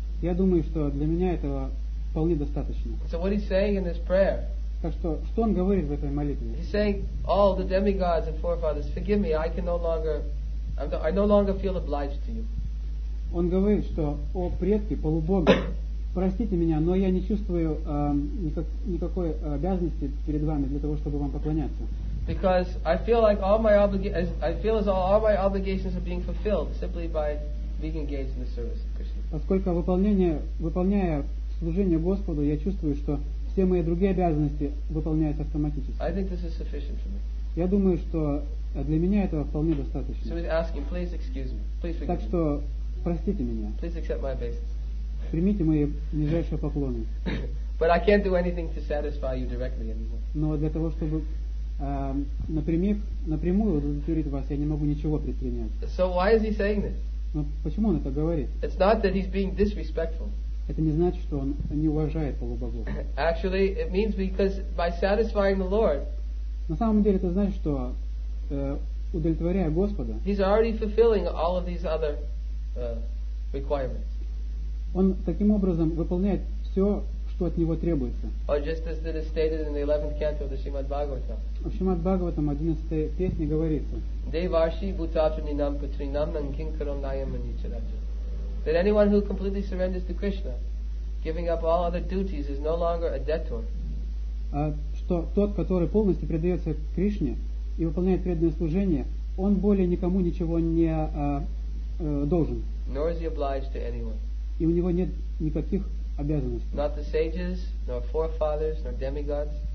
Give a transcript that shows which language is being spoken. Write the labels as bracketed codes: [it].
[ru] Я думаю, что для меня этого вполне достаточно. [en] So what he's saying in this prayer? [ru] Так что, что он говорит в этой молитве? [en] He's saying, all the demigods and forefathers, forgive me, I no longer feel obliged to you. [ru] Он говорит, что, о предки, полубоги, простите меня, но я не чувствую никакой обязанности перед вами для того, чтобы вам поклоняться. [en] Because I feel like all my obligations are being fulfilled simply by being engaged in the service of Krishna. [ru] Поскольку выполняя служение Господу, я чувствую, что все мои другие обязанности выполняются автоматически. [en] I think this is sufficient for me. [ru] Я думаю, что для меня этого вполне достаточно. [en] So he's asking, please excuse me, please forgive me. [ru] Так что простите меня. [en] Please accept my obeisances. [ru] Примите мои нижайшие поклоны. [en] But I can't do anything to satisfy you directly anymore. [ru] Но для того, чтобы напрямую удовлетворить вас, я не могу ничего предпринять. [en] So why is he saying this? [ru] Но почему он это говорит? [en] It's not that he's being disrespectful. [ru] Это не значит, что он не уважает полубогов. [en] Actually, it means because by satisfying the Lord. [ru] На самом деле это значит, что удовлетворяя Господа. [en] He's already fulfilling all of these other requirements. [ru] Он таким образом выполняет все, что от него требуется. [en] Or just as it is stated in the 11th canto of the Srimad Bhagavatam. [ru] В Шримад-Бхагаватам 11-й песне говорится. [sa] Деваши бутатуминам патринам нанкинкаром наяманичараджа. [en] That anyone who completely surrenders to Krishna, giving up all other duties, is no longer a debtor. [ru] Что тот, который полностью предается Кришне и выполняет преданное служение, он более никому ничего не должен. [en] Nor is he obliged to anyone. [ru] И у него нет никаких обязанностей. [en] Not the sages, nor forefathers, nor demigods.